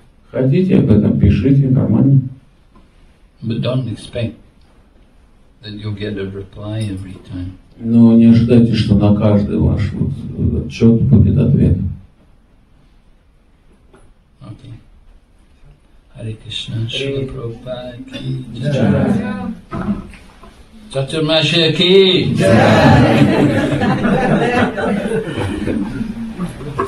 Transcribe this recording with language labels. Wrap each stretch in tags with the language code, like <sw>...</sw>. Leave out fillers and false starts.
<ru>Хотите об этом, пишите, нормально.</ru> <en>But don't expect that you'll get a reply every time.</en> <ru>Но не ожидайте, что на каждый ваш вот отчет будет ответ.</ru> <en>Okay. Hare Krishna, Shri Prabhupada ki jai.</en> <hi>Chaturmasya ki jai.</hi>